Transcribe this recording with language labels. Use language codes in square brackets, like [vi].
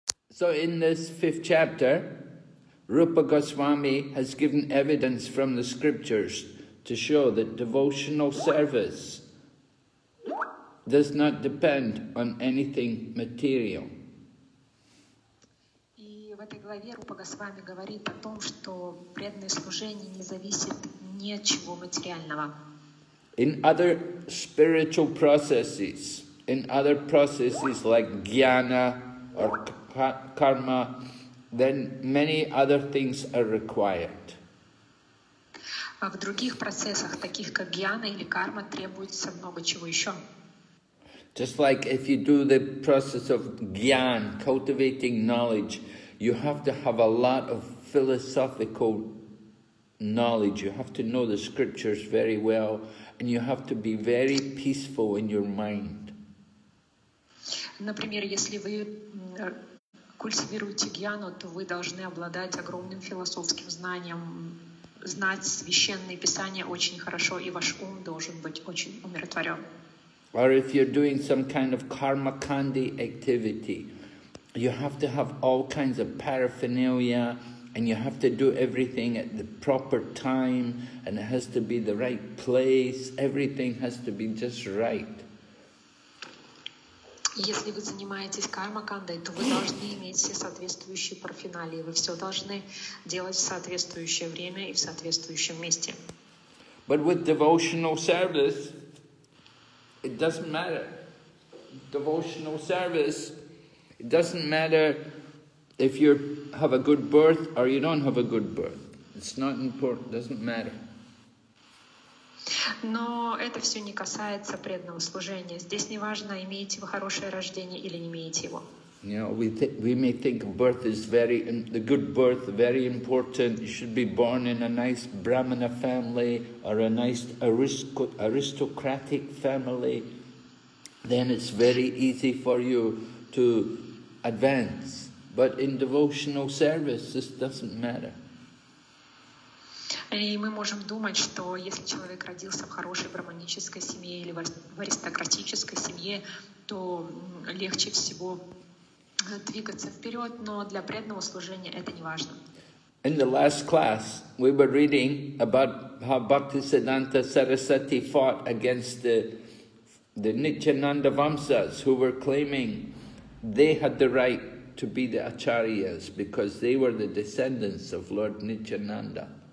[en] So in this fifth chapter, Rupa Goswami has given evidence from the scriptures to show that devotional service does not depend on anything material. [ru] И в этой главе Рупа Госвами говорит о том, что преданное служение не зависит ни от чего материального. [en] In other spiritual processes, like jnana or karma, then many other things are required. [ru] В других процессах, таких как джняна или карма, требуется много чего еще. [en] Just like if you do the process of jnana, cultivating knowledge, you have to have a lot of philosophical knowledge. You have to know the scriptures very well, and you have to be very peaceful in your mind. [ru] Например, если вы культивируете джняну, то вы должны обладать огромным философским знанием, знать священные писания очень хорошо, и ваш ум должен быть очень умиротворен. [en] Or if you're doing some kind of karmakandi activity, you have to have all kinds of paraphernalia, and you have to do everything at the proper time, and it has to be the right place, everything has to be just right. [ru] Если вы занимаетесь кармакандой, то вы должны иметь все соответствующие парафиналии. Вы все должны делать в соответствующее время и в соответствующем месте. [en] But with devotional service, it doesn't matter. Devotional service, it doesn't matter if you have a good birth or you don't have a good birth. It's not important, it doesn't matter. [ru] Но это все не касается преданного служения. Здесь не важно, имеете вы хорошее рождение или не имеете его. [en] You know, we may think birth is very, the good birth very important. You should be born in a nice Brahmana family or a nice aristocratic family. Then it's very easy for you to advance. But in devotional service, this doesn't matter. [ru] И мы можем думать, что если человек родился в хорошей брахманической семье или в аристократической семье, то легче всего двигаться вперед, но для преданного служения это не важно. [en] In the last class, we were reading about how Bhaktisiddhanta Sarasvati fought against the Nityananda Vamsas, who were claiming they had the right to be the Acharyas because they were the descendants of Lord Nityananda.